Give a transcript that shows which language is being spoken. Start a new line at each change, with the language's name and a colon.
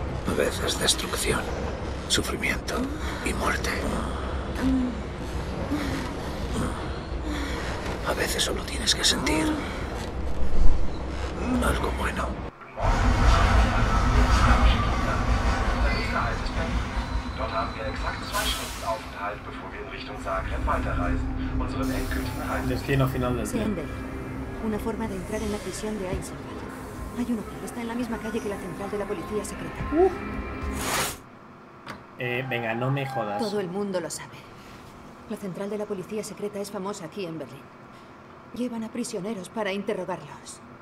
Spanish: A veces destrucción, sufrimiento y muerte. A veces solo tienes que sentir algo bueno.
German: Dort haben wir exakt zwei Stunden Aufenthalt, bevor wir in Richtung Zagreb weiterreisen. Unseren endgültigen Reisen.
Spanish: Destino final del día. Una forma de entrar en la prisión de Eisenhower. Hay uno que está en la misma calle que la central de la policía secreta. Venga, no me jodas. Todo el mundo lo sabe. La central de la policía secreta es famosa aquí en Berlín. Llevan a prisioneros para interrogarlos.